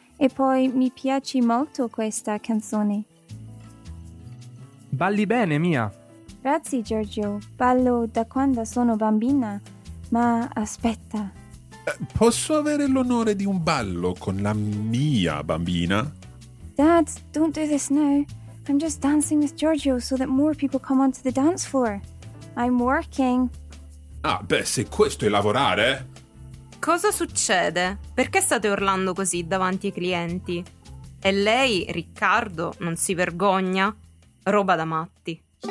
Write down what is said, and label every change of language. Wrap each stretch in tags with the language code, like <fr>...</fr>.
<it>E poi mi piace molto questa canzone. Balli bene, Mia. Grazie, Giorgio. Ballo da quando sono bambina. Ma aspetta. Posso avere l'onore di un ballo con la mia bambina?</it> <en>Dad, don't do this now. I'm just dancing with Giorgio so that more people come onto the dance floor. I'm working.</en> <it>Ah, beh, se questo è lavorare. Cosa succede? Perché state urlando così davanti ai clienti? E lei, Riccardo, non si vergogna? Roba da matti.</it>